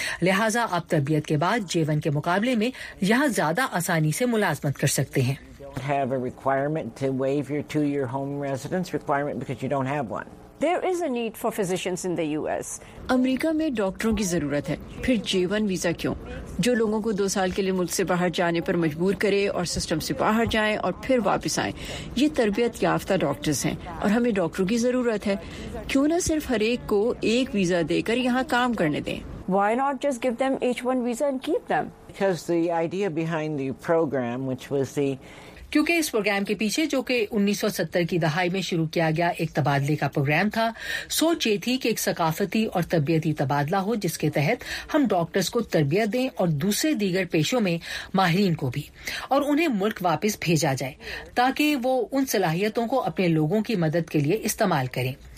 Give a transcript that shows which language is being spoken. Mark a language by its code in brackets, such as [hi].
[ur] لہٰذا آپ تربیت کے بعد J-1 کے مقابلے میں یہاں زیادہ آسانی سے ملازمت کر سکتے ہیں. [en] Have a requirement to waive your 2-year home residence requirement because you don't have one. There is a need for physicians in the US. [ur] امریکہ میں ڈاکٹروں کی ضرورت ہے, پھر J-1 ویزا کیوں؟ جو لوگوں کو 2 سال کے لیے ملک سے باہر جانے پر مجبور کرے اور سسٹم سے باہر جائیں اور پھر واپس آئیں, یہ تربیت یافتہ ڈاکٹرز ہیں اور ہمیں ڈاکٹروں کی ضرورت ہے. کیوں نہ صرف ہر ایک کو ایک ویزا دے کر یہاں کام کرنے دیں؟ [en] Why not just give them H-1 visa and keep them? Because the idea behind the program, which was the [ur] کیونکہ اس پروگرام کے پیچھے جو کہ 1970 کی دہائی میں شروع کیا گیا ایک تبادلے کا پروگرام تھا, سوچ یہ تھی کہ ایک ثقافتی اور تربیتی تبادلہ ہو جس کے تحت ہم ڈاکٹرز کو تربیت دیں اور دوسرے دیگر پیشوں میں ماہرین کو بھی, اور انہیں ملک واپس بھیجا جائے تاکہ وہ ان صلاحیتوں کو اپنے لوگوں کی مدد کے لیے استعمال کریں.